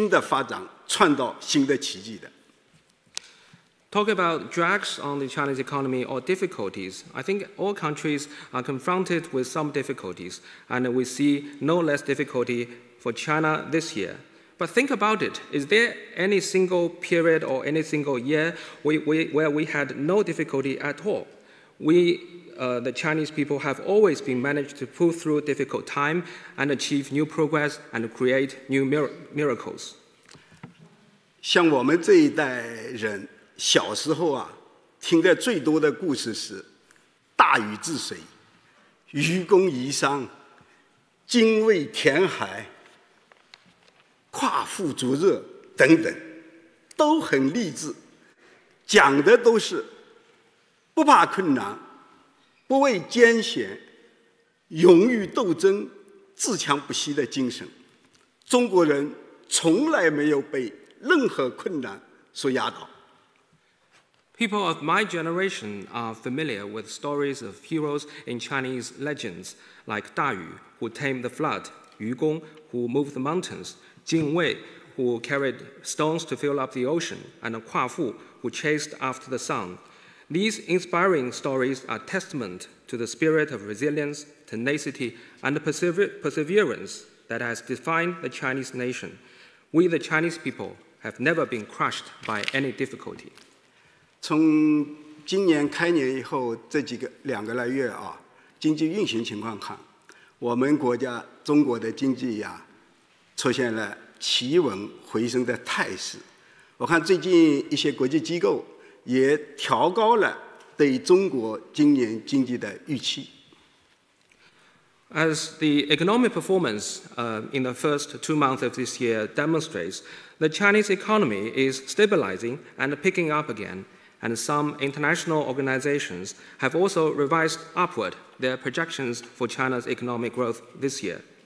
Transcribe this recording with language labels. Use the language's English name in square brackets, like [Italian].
[Chinese] 我们今年中国的困难也会不少，但是静下心想一想，我们哪个时候、哪一年没有碰到困难？我们从来是在不断克服困难当中实现新的发展，创造新的奇迹的。 [English] Talk about drags on the Chinese economy or difficulties. I think all countries are confronted with some difficulties, and we see no less difficulty for China this year. But think about it. Is there any single period or any single year where we had no difficulty at all? The Chinese people have always been managed to pull through difficult time and achieve new progress and create new miracles. [Chinese] 像我们这一代人 小时候啊，听得最多的故事是"大禹治水，愚公移山，精卫填海，夸父逐日"等等，都很励志，讲的都是不怕困难、不畏艰险、勇于斗争、自强不息的精神。中国人从来没有被任何困难所压倒。 [English] People of my generation are familiar with stories of heroes in Chinese legends, like Da Yu, who tamed the flood, Yu Gong, who moved the mountains, Jing Wei, who carried stones to fill up the ocean, and Kua Fu, who chased after the sun. These inspiring stories are testament to the spirit of resilience, tenacity, and perseverance that has defined the Chinese nation. We, the Chinese people, have never been crushed by any difficulty. [Chinese] 从今年开年以后这几个两个来月啊，经济运行情况看，我们国家中国的经济呀，出现了企稳回升的态势。我看最近一些国际机构也调高了对中国今年经济的预期。 [English] As the economic performance in the first 2 months of this year demonstrates, the Chinese economy is stabilizing and picking up again, and some international organizations have also revised upward their projections for China's economic growth this year.